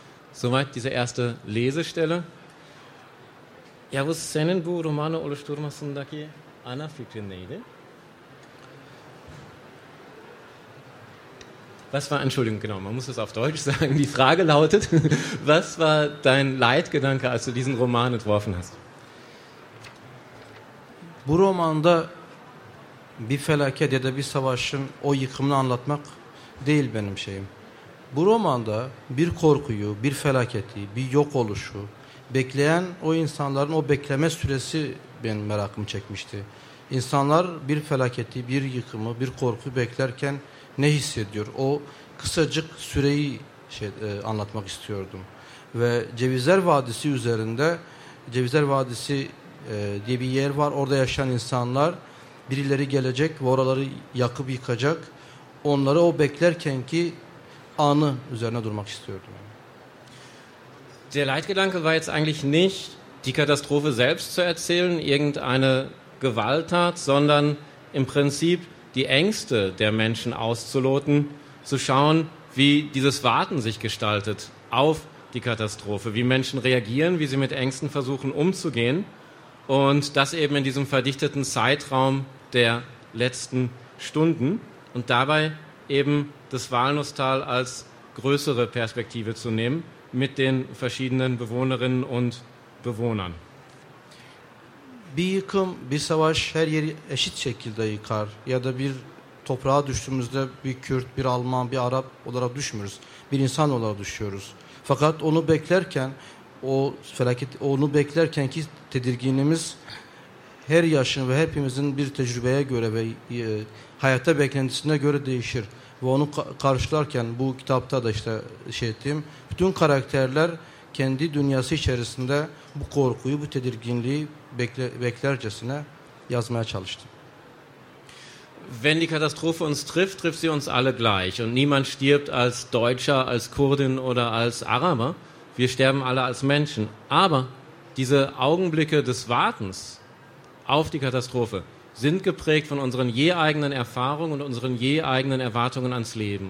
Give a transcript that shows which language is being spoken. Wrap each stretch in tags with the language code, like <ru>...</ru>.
<de>Soweit diese erste Lesestelle. Ja, was sehen du, Romano oder Sturmasundaki, Anna Fikrinede? Was war, Entschuldigung, genau, man muss es auf Deutsch sagen. Die Frage lautet, was war dein Leitgedanke, als du diesen Roman entworfen hast?</de> <tr>Bu romanda bir felaket ya da bir savaşın o yıkımını anlatmak değil benim şeyim. Bu romanda bir korkuyu, bir felaketi, bir yok oluşu bekleyen o insanların o bekleme süresi benim merakımı çekmişti. İnsanlar bir felaketi, bir yıkımı, bir korku beklerken ne hissediyor? O kısacık süreyi anlatmak istiyordum. Ve Cevizler Vadisi üzerinde, Cevizler Vadisi diye bir yer var. Orada yaşayan insanlar, birileri gelecek ve oraları yakıp yıkacak. Onları o beklerken ki anı üzerine durmak istiyordum.</tr> <de>Der Leitgedanke war jetzt eigentlich nicht, die Katastrophe selbst zu erzählen, irgendeine Gewalttat, sondern im Prinzip die Ängste der Menschen auszuloten, zu schauen, wie dieses Warten sich gestaltet auf die Katastrophe, wie Menschen reagieren, wie sie mit Ängsten versuchen umzugehen und das eben in diesem verdichteten Zeitraum der letzten Stunden und dabei eben das Walnusstal als größere Perspektive zu nehmen mit den verschiedenen Bewohnerinnen und Bewohnern.</de> <tr>Bir yıkım, bir savaş her yeri eşit şekilde yıkar. Ya da bir toprağa düştüğümüzde bir Kürt, bir Alman, bir Arap olarak düşmüyoruz. Bir insan olarak düşüyoruz. Fakat onu beklerken, o felaket, onu beklerken ki tedirginliğimiz her yaşın ve hepimizin bir tecrübeye göre ve hayatta beklentisine göre değişir. Ve onu karşılarken bu kitapta da işte şey ettiğim, bütün karakterler kendi dünyası içerisinde bu korkuyu, bu tedirginliği beklercesine yazmaya çalıştım.</tr> <de>Wenn die Katastrophe uns trifft, trifft sie uns alle gleich und niemand stirbt als Deutscher, als Kurdin oder als Araber. Wir sterben alle als Menschen. Aber diese Augenblicke des Wartens auf die Katastrophe sind geprägt von unseren je eigenen Erfahrungen und unseren je eigenen Erwartungen ans Leben.</de>